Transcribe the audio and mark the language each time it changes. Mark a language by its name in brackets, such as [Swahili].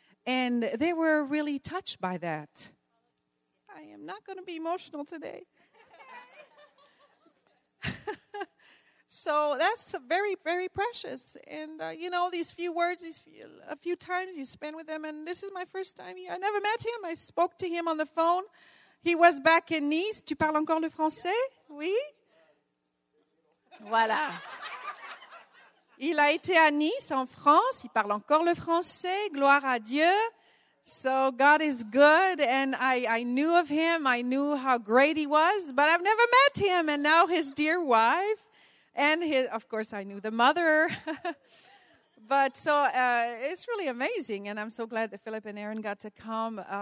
[English] And they were really touched by that. I am not going to be emotional today. So that's very, very precious. And, these few words, a few times you spend with them, and this is my first time here. I never met him. I spoke to him on the phone. He was back in Nice. [French] Tu parles encore le français? Oui? Voilà. Il a été à Nice, en France. Il parle encore le français. Gloire à Dieu. [English] So God is good, and I knew of him. I knew how great he was, but I've never met him. And now his dear wife, and his, of course I knew the mother. But so it's really amazing, and I'm so glad that Philip and Aaron got to come.